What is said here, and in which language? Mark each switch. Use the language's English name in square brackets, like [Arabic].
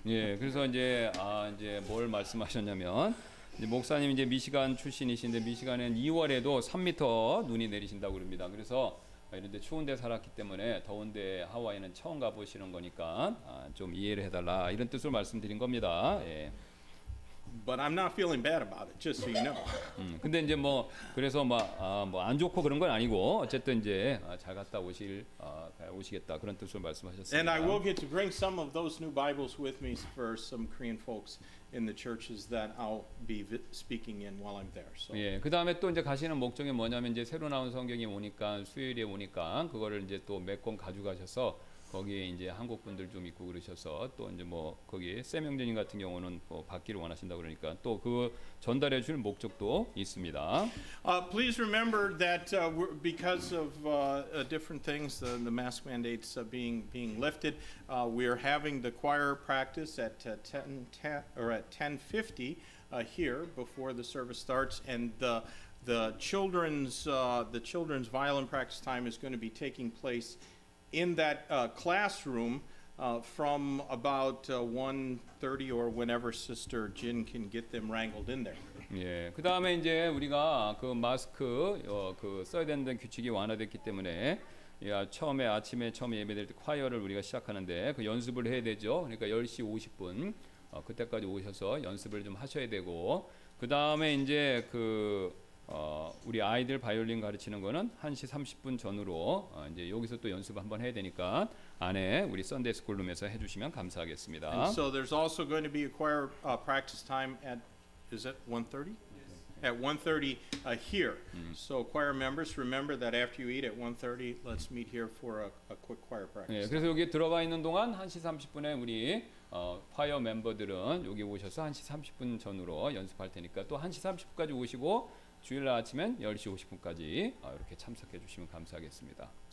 [Korean] 예, 그래서 이제 이제 뭘 말씀하셨냐면 이제 목사님 이제 미시간 출신이신데 미시간은 2월에도 3m 눈이 내리신다고 합니다. 그래서 이런데 추운데 살았기 때문에 더운데 하와이는 처음 가보시는 거니까 좀 이해를 해달라 이런 뜻으로 말씀드린 겁니다. 예. [English] But I'm not feeling bad about it, just so you know. [Korean] 근데 이제 뭐 그래서 막 뭐 안 좋고 그런 건 아니고 어쨌든 이제 잘 갔다 오실 오시겠다 그런 뜻으로 말씀하셨습니다. [English] And I will get to bring some of those new Bibles with me for some Korean folks in the churches that I'll be speaking in while I'm there. So. [Korean] 예, 그 다음에 또 이제 가시는 목적이 뭐냐면 이제 새로 나온 성경이 오니까 수요일에 오니까 그거를 이제 또 몇 권 가져가셔서 거기에 이제 한국 분들 좀 있고 그러셔서 또 이제 뭐 거기 샘 형제님 같은 경우는 뭐 받기를 원하신다 그러니까 또 그 전달해 줄 목적도 있습니다. [English] Please remember that because of different things, the mask mandates being lifted, we are having the choir practice at 10:50 here before the service starts, and the children's violin practice time is going to be taking place. In that classroom from about 1:30 or whenever Sister Jin can get them wrangled in there. [Korean] 예, 그다음에 이제 우리가 그 마스크 그 써야 되는 규칙이 완화됐기 때문에 야 처음에 아침에 처음 예배될 때 콰이어를 우리가 시작하는데 그 연습을 해야 되죠. 그러니까 10시 50분 그때까지 오셔서 연습을 좀 하셔야 되고 그다음에 이제 그 우리 아이들 바이올린 가르치는 거는 1시 30분 전으로 이제 여기서 또 연습 한번 해야 되니까 안에 우리 선데이 스쿨 룸에서 해 주시면 감사하겠습니다. [English] And so there's also going to be a choir practice time at is it 1:30? Yes. At 1:30 here. So choir members remember that after you eat at 1:30 let's meet here for a quick choir practice. [Korean] 예, 그래서 여기 들어가 있는 동안 1시 30분에 우리 파이어 멤버들은 여기 오셔서 1시 30분 전으로 연습할 테니까 또 1시 30분까지 오시고 주일 아침엔 10시 50분까지 이렇게 참석해 주시면 감사하겠습니다.